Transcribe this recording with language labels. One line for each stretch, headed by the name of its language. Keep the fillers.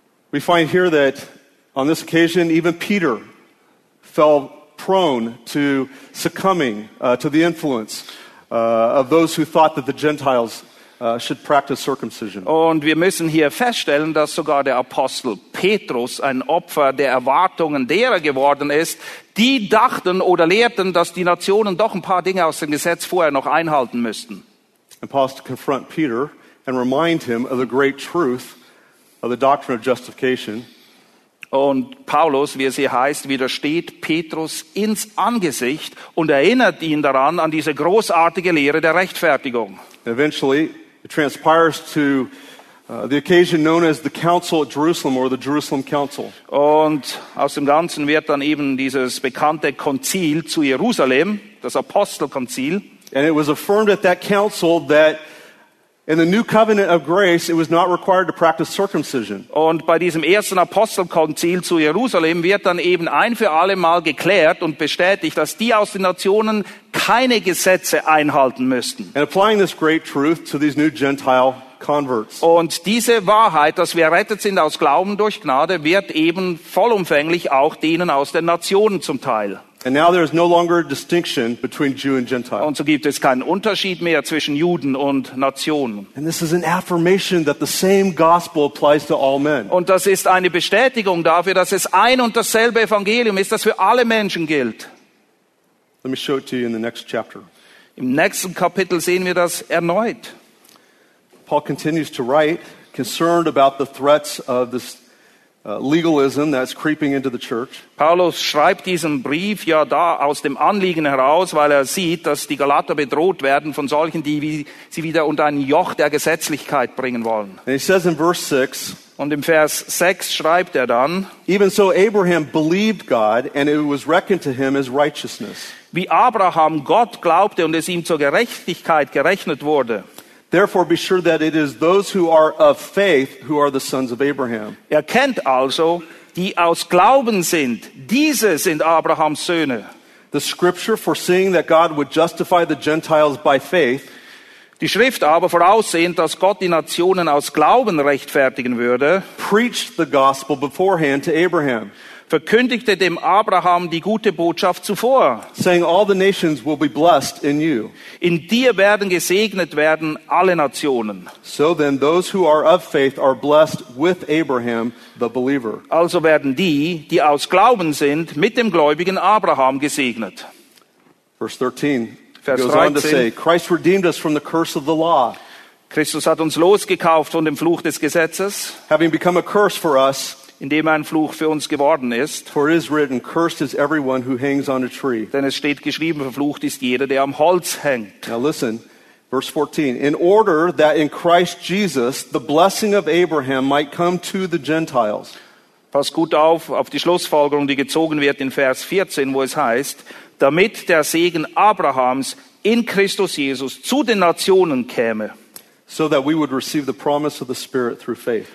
English: We find here that On this occasion, even Peter fell prone to succumbing uh, to the influence uh, of those who thought that the Gentiles. Uh, should practice circumcision.
German: Und wir müssen hier feststellen, dass sogar der Apostel Petrus ein Opfer der Erwartungen derer geworden ist, die dachten oder lehrten, dass die Nationen doch ein paar Dinge aus dem Gesetz vorher noch einhalten müssten.
English: And confront Peter and remind him of the great truth of the doctrine of justification.
German: und Paulus, wie er sie heißt, widersteht Petrus ins Angesicht und erinnert ihn daran an diese großartige Lehre der Rechtfertigung. Und aus dem Ganzen wird dann eben dieses bekannte Konzil zu Jerusalem, das Apostelkonzil.
English: And it was affirmed at in the new covenant of grace, it was not required to practice circumcision.
German: Und bei diesem ersten Apostelkonzil zu Jerusalem wird dann eben ein für alle Mal geklärt und bestätigt, dass die aus den Nationen keine Gesetze einhalten müssten.
English: applying this great truth to these new Gentile converts.
German: Und diese Wahrheit, dass wir rettet sind aus Glauben durch Gnade, wird eben vollumfänglich auch denen aus den Nationen zum Teil.
English: And now there is no longer a distinction between Jew and Gentile.
German: Und so gibt es keinen Unterschied mehr zwischen Juden und Nationen.
English: And this is an affirmation that the same gospel applies to all men.
German: Und das ist eine Bestätigung dafür, dass es ein und dasselbe Evangelium ist, das für alle Menschen gilt.
English: Let me show it to you in the next chapter.
German: Im nächsten Kapitel sehen wir das erneut.
English: Paul continues to write concerned about the threats of this legalism that's creeping into the church.
German: Paulus schreibt diesen Brief ja da aus dem Anliegen heraus, weil er sieht, dass die Galater bedroht werden von solchen, die sie wieder unter ein Joch der Gesetzlichkeit bringen wollen.
English: And he in verse 6
German: und im Vers 6 schreibt er dann
English: Even so Abraham believed God and it was reckoned to him as righteousness.
German: Wie Abraham Gott glaubte und es ihm zur Gerechtigkeit gerechnet wurde.
English: Therefore, be sure that it is those who are of faith who are the sons of Abraham.
German: Erkennt also, die aus Glauben sind, diese sind Abrahams Söhne.
English: The scripture foreseeing that God would justify the Gentiles by faith.
German: Die Schrift aber voraussehend, dass Gott die Nationen aus Glauben rechtfertigen würde.
English: Preached the gospel beforehand to Abraham.
German: Verkündigte dem Abraham die gute Botschaft zuvor.
English: Saying, all the nations will be blessed in you.
German: In dir werden gesegnet werden alle Nationen.
English: So then those who are of faith are blessed with Abraham the believer.
German: Also werden die, die aus Glauben sind, mit dem gläubigen Abraham gesegnet.
English: Verse 13. Vers goes 13. on to say, Christ redeemed us from the curse of the law.
German: Christus hat uns losgekauft von dem Fluch des Gesetzes.
English: Having become a curse for us
German: indem ein Fluch für uns geworden ist.
English: is written, cursed is everyone who hangs on a tree.
German: Denn es steht geschrieben, verflucht ist jeder, der am Holz hängt.
English: Now listen, verse 14. In order that in Christ Jesus the blessing of Abraham might come to the Gentiles.
German: Pass gut auf auf die Schlussfolgerung, die gezogen wird in Vers 14, wo es heißt, damit der Segen Abrahams in Christus Jesus zu den Nationen käme.
English: so that we would receive the promise of the spirit through faith.